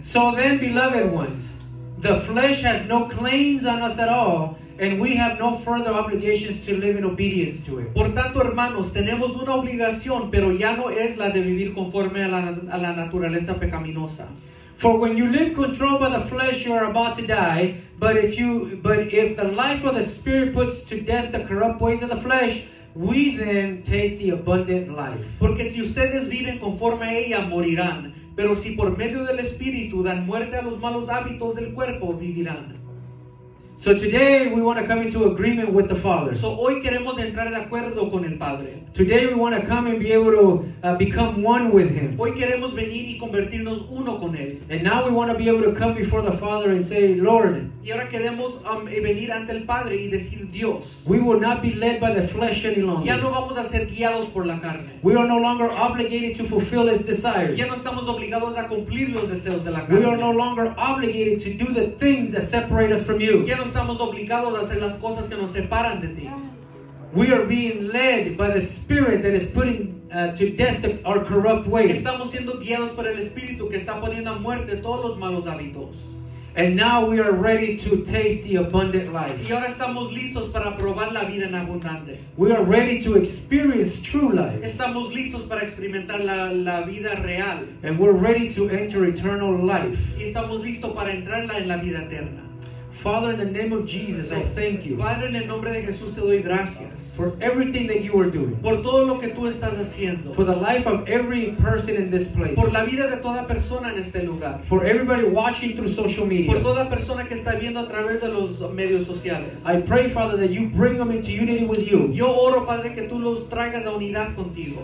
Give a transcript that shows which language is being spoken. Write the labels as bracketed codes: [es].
[en] So then, beloved ones, the flesh has no claims on us at all, and we have no further obligations to live in obedience to it. [es] Por tanto, hermanos, tenemos una obligación, pero ya no es la de vivir conforme a la naturaleza pecaminosa. [en] For when you live controlled by the flesh, you are about to die. But if the life of the Spirit puts to death the corrupt ways of the flesh, we then taste the abundant life. [es] Porque si ustedes viven conforme a ella, morirán. Pero si por medio del Espíritu dan muerte a los malos hábitos del cuerpo, vivirán. [en] So today we want to come into agreement with the Father. [es] So hoy queremos entrar de acuerdo con el Padre. [en] Today we want to come and be able to become one with Him. [es] Hoy queremos venir y convertirnos uno con Él. [en] And now we want to be able to come before the Father and say, Lord. [es] Y ahora queremos venir ante el Padre y decir, Dios. [en] We will not be led by the flesh any longer. [es] Ya no vamos a ser guiados por la carne. [en] We are no longer obligated to fulfill His desires. [es] Ya no estamos obligados a cumplir los deseos de la carne. [en] We are no longer obligated to do the things that separate us from you. [es] Ya no estamos obligados a hacer las cosas que nos separan de ti. [en] We are being led by the Spirit that is putting to death our corrupt ways. [es] Estamos siendo guiados por el Espíritu que está poniendo a muerte todos los malos hábitos. [en] And now we are ready to taste the abundant life. [es] Y ahora estamos listos para probar la vida en abundante. [en] We are ready to experience true life. [es] Estamos listos para experimentar la vida real. [en] And we're ready to enter eternal life. [es] Y estamos listos para entrarla en la vida eterna. [en] Father, in the name of Jesus, I thank you. [es] Padre, en el nombre de Jesús, te doy gracias. [en] For everything that you are doing. [es] Por todo lo que tú estás haciendo. [en] For the life of every person in this place. [es] Por la vida de toda persona en este lugar. [en] For everybody watching through social media. [es] Por toda persona que está viendo a través de los medios sociales. [en] I pray, Father, that you bring them into unity with you. [es] Yo oro, Padre, que tú los traigas a unidad contigo.